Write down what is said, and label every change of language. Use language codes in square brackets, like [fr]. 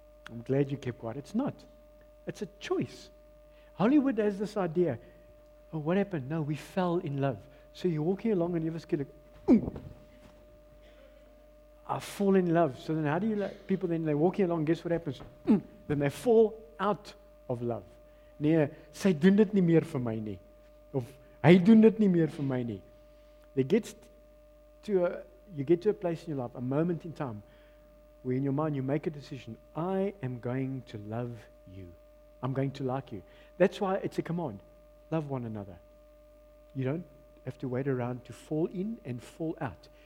[en] I'm glad you kept quiet. It's not. It's a choice. Hollywood has this idea. Oh, what happened? No, we fell in love. So you're walking along and you just get like, ooh. I fall in love. So then how do you like people then they're walking along, guess what happens? Then they fall out of love. [af] Nee, sy doen dit nie meer vir my nie. Of hy doen dit nie meer vir my nie. [en] They get to a place in your life, a moment in time, where in your mind you make a decision. I am going to love you. I'm going to like you. That's why it's a command. Love one another. You don't have to wait around to fall in and fall out.